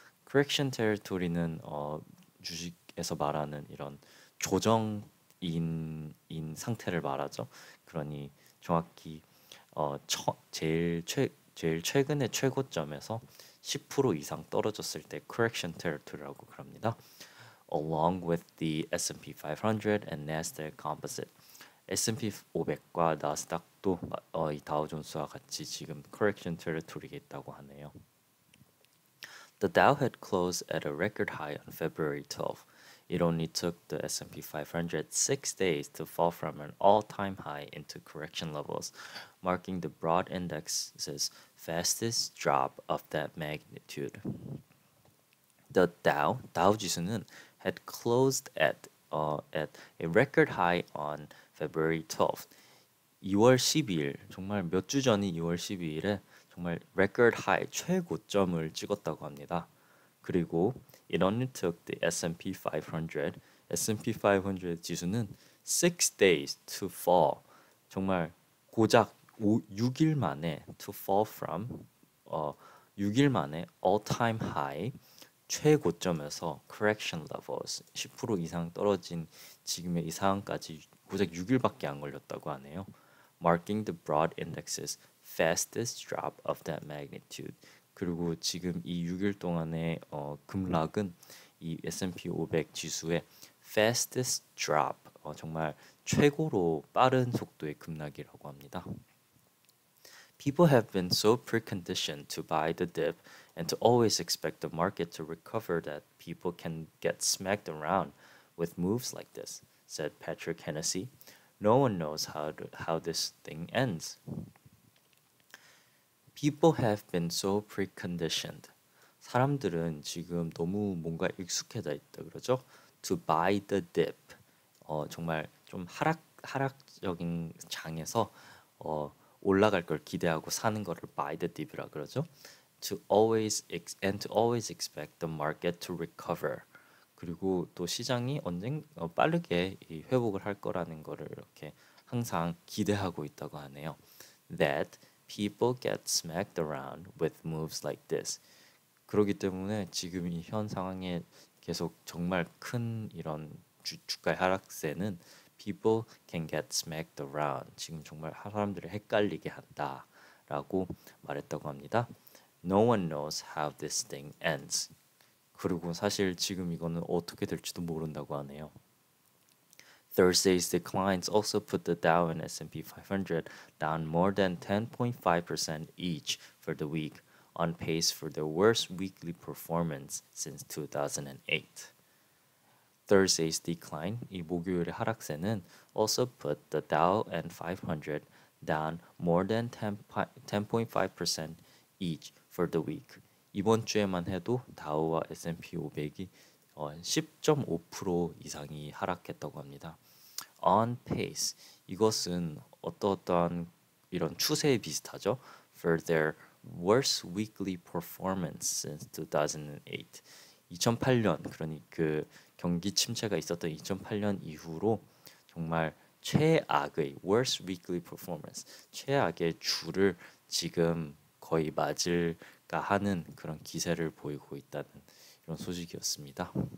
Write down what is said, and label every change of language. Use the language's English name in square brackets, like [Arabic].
[Korean] correction territory는 주식에서 말하는 이런 조정인 상태를 말하죠. 그러니 정확히 제일 최근의 최고점에서 10% 이상 떨어졌을 때 correction territory라고 그럽니다. [English] along with the S&P 500 and NASDAQ composite. [Korean] S&P 500과 나스닥도 이 다우존스와 같이 지금 correction territory에 있다고 하네요. [English] The Dow had closed at a record high on February 12. It only took the S&P 500 six days to fall from an all-time high into correction levels, marking the broad index's fastest drop of that magnitude. [Korean] The Dow 지수는 [English] had closed at a record high on February 12th, [Korean] 2월 12일, 정말 몇주 전인 2월 12일에 정말 record high, 최고점을 찍었다고 합니다. 그리고 [English] it only took the S&P 500 [Korean] 지수는 [English] 6 days to fall, [Korean] 정말 고작 6일 만에 [English] to fall from [Korean] 6일 만에 all-time high 최고점에서 [English] correction levels [Korean] 10% 이상 떨어진 지금의 이 상황까지 고작 6일밖에 안 걸렸다고 하네요. [English] Marking the broad index's fastest drop of that magnitude. [Korean] 그리고 지금 이 6일 동안의 급락은 이 S&P 500 지수의 [English] fastest drop [Korean] 정말 최고로 빠른 속도의 급락이라고 합니다. [English] People have been so preconditioned to buy the dip and to always expect the market to recover that people can get smacked around with moves like this, said Patrick Hennessy. No one knows how this thing ends. People have been so preconditioned. [Korean] 사람들은 지금 너무 뭔가 익숙해져 있다 그러죠? [English] To buy the dip. [Korean] 정말 좀 하락적인 장에서 올라갈 걸 기대하고 사는 거를 buy the dip이라 그러죠? [English] To always expect the market to recover. [Korean] 그리고 또 시장이 빠르게 회복을 할 거라는 거를 이렇게 항상 기대하고 있다고 하네요. [English] That people get smacked around with moves like this. [Korean] 그렇기 때문에 지금 이현 상황에 계속 정말 큰 이런 주가의 하락세는 [English] people can get smacked around. [Korean] 지금 정말 사람들을 헷갈리게 한다라고 말했다고 합니다. [English] No one knows how this thing ends. [Korean] 그리고 사실 지금 이거는 어떻게 될지도 모른다고 하네요. [English] Thursday's declines also put the Dow and S&P 500 down more than 10.5% each for the week, on pace for their worst weekly performance since 2008. Thursday's decline, [Korean] 이 목요일의 하락세는 [English] also put the Dow and 500 down more than 10.5% each for the week. [Korean] 이번 주에만 해도 다우와 S&P 500이 10.5% 이상이 하락했다고 합니다. On pace, 이것은 어떠어떠한 이런 추세에 비슷하죠? [English] For their worst weekly performance since 2008. [Korean] 2008년, 그러니 그 경기 침체가 있었던 2008년 이후로 정말 최악의 [English] worst weekly performance, [Korean] 최악의 주를 지금 거의 맞을까 하는 그런 기세를 보이고 있다는 이런 소식이었습니다.